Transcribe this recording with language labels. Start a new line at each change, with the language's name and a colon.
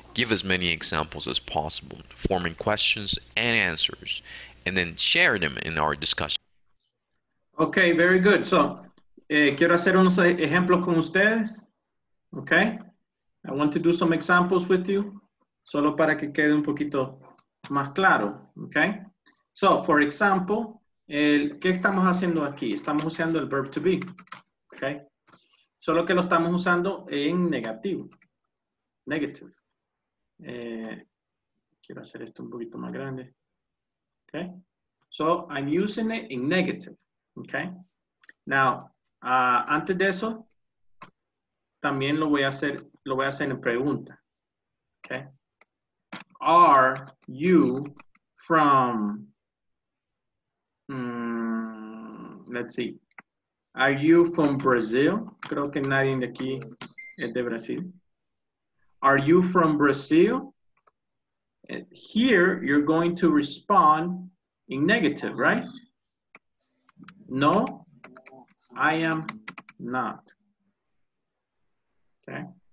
English: Give as many examples as possible, forming questions and answers. And then share them in our discussion. Okay, very good. So,
Spanish: quiero hacer unos ejemplos con ustedes. Okay?
English: I want to do some examples with you.
Spanish: Solo para que quede un poquito más claro.
English: Okay? So, for example,
Spanish: ¿qué estamos haciendo aquí? Estamos usando el verb to be. Okay? Solo que lo estamos usando en negativo. Negative. Quiero hacer esto un poquito más grande.
English: Okay, so I'm using it in negative, okay?
Spanish: Now, antes de eso, también lo voy a hacer en pregunta, okay?
English: Are you from, let's see, are you from Brazil?
Spanish: Creo que nadie de aquí es de Brasil.
English: Are you from Brazil? Here, you're going to respond in negative, right? No, I am not. Okay.